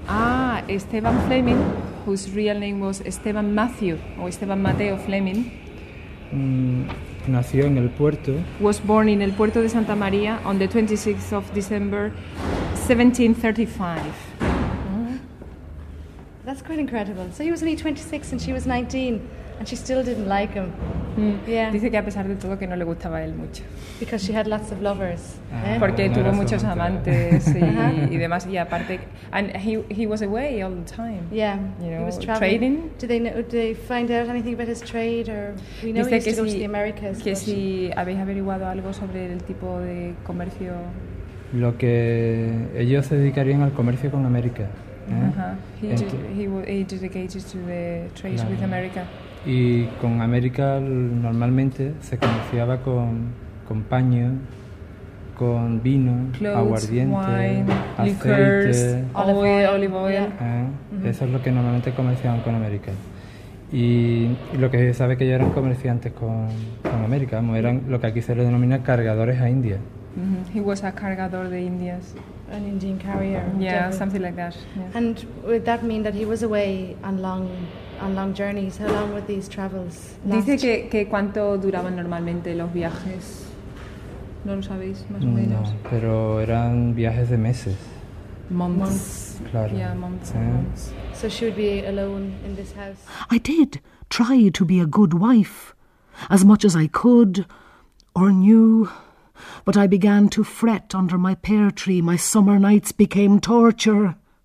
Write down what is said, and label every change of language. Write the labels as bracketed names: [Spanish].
[English] Ah, Esteban Fleming, whose real name was Esteban Matthew, o Esteban Mateo Fleming. [Spanish] Nació en el puerto. [English] Was born in el puerto de Santa María on the 26th of December, 1735. Uh-huh. That's quite incredible. So he was only 26 and she was 19. And she still didn't like him. [Spanish] Dice que a pesar de todo que no le gustaba él mucho. [English] Because she had lots of lovers. [Spanish] Porque tuvo muchos amantes y demás. Y aparte, [English] and he was away all the time. Yeah, you know, he was traveling. Trading. Do they find out anything about his trade? Or we know he used to go to the Americas. [Spanish] Que si habéis averiguado algo sobre el tipo de comercio. Lo que ellos se dedicarían al comercio con América. [English] He dedicated to the trade with America. [Spanish] Y con América normalmente se comerciaba con paño, con vino, [English] clothes, [Spanish] aguardiente, [English] wine, [Spanish] aceite, [English] liquors, olive oil. [Spanish] Eso es lo que normalmente comerciaban con América. Y lo que se sabe que ya eran comerciantes con América, eran lo que aquí se le denomina cargadores a India. [English] Mm-hmm. He was a cargador de Indias. An Indian carrier. Yeah, definitely. Something like that. Yeah. And would that mean that he was away on long journeys? How long were these travels last? [Spanish] Dice que cuánto duraban normalmente los viajes. No lo sabéis, más o menos. No, pero eran viajes de meses. [English] Months. [Spanish] Claro. [English] Yeah, months. So she would be alone in this house. I did try to be a good wife, as much as I could, or knew. But I began to fret under my pear tree. My summer nights became torture.